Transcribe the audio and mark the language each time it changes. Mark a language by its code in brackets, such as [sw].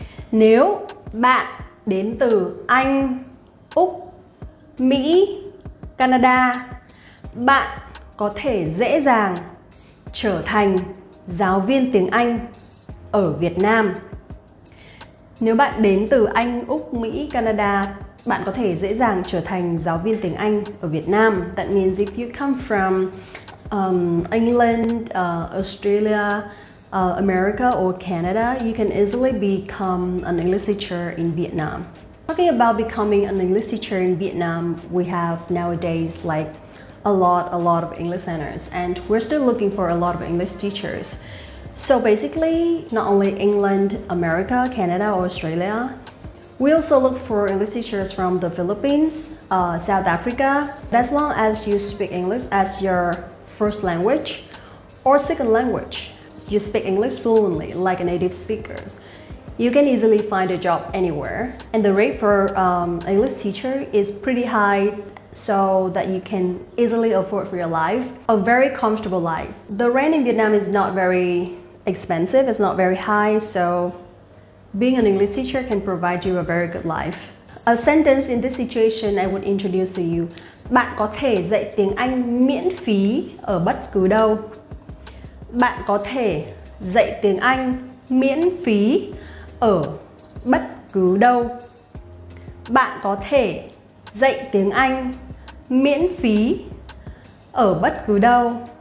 [vi] Nếu bạn đến từ Anh, Úc, Mỹ, Canada, bạn có thể dễ dàng trở thành giáo viên tiếng Anh ở Việt Nam. Nếu bạn đến từ Anh, Úc, Mỹ, Canada, bạn có thể dễ dàng trở thành giáo viên tiếng Anh ở Việt Nam. [en] That means if you come from England, Australia, America or Canada, you can easily become an English teacher in Vietnam. Talking about becoming an English teacher in Vietnam, we have nowadays like a lot of English centers, and we're still looking for a lot of English teachers. So basically, not only England, America, Canada, or Australia, we also look for English teachers from the Philippines, South Africa, as long as you speak English as your first language or second language. You speak English fluently, like a native speaker. You can easily find a job anywhere. And the rate for English teacher is pretty high, so that you can easily afford for your life, a very comfortable life. The rent in Vietnam is not very expensive, it's not very high, so being an English teacher can provide you a very good life. A sentence in this situation I would introduce to you: [vi] bạn có thể dạy tiếng Anh miễn phí ở bất cứ đâu. Bạn có thể dạy tiếng Anh miễn phí ở bất cứ đâu. Bạn có thể dạy tiếng Anh miễn phí ở bất cứ đâu.